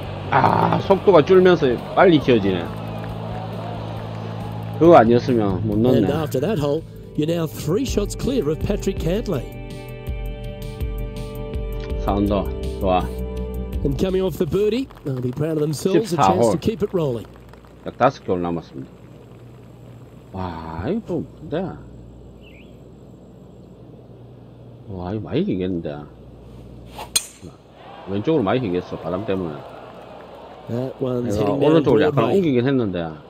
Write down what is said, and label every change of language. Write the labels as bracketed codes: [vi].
[ko] 아, 속도가 줄면서 빨리 키워지네. 그거 아니었으면 못 넣네. [en] You're now three shots clear of Patrick Cantlay. [ko] 사운드 좋아. [en] And coming off the birdie, they'll be proud of themselves. A chance to keep it rolling. [ko] 약 다섯 개월 남았습니다. 와, 이거 뭔데? 와, 이거 많이 휘겠는데? 왼쪽으로 많이 휘겠어, 바람 때문에. [en] That one's hitting down. [ko] 오른쪽으로 약간 옮기긴 했는데.